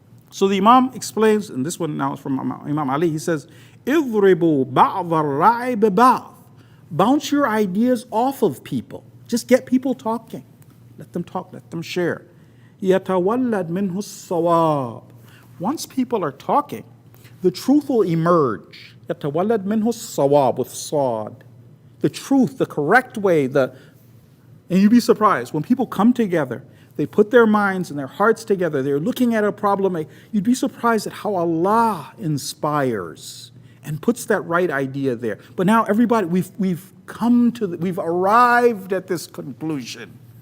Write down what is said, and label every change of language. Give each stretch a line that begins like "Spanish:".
English: So the imam explains, and this one now is from Imam Ali, he says,
Arabic: اضربوا بعض الرأي ببعض.
English: Bounce your ideas off of people. Just get people talking. Let them talk, let them share.
Arabic: يَتَوَلَّدْ مِنْهُ الصَّوَابِ.
English: Once people are talking, the truth will emerge.
Arabic: يَتَوَلَّدْ مِنْهُ الصَّوَابِ
English: with sawd. The truth, the correct way, and you'd be surprised, when people come together, they put their minds and their hearts together, they're looking at a problem, you'd be surprised at how Allah inspires and puts that right idea there. But now everybody, we've arrived at this conclusion.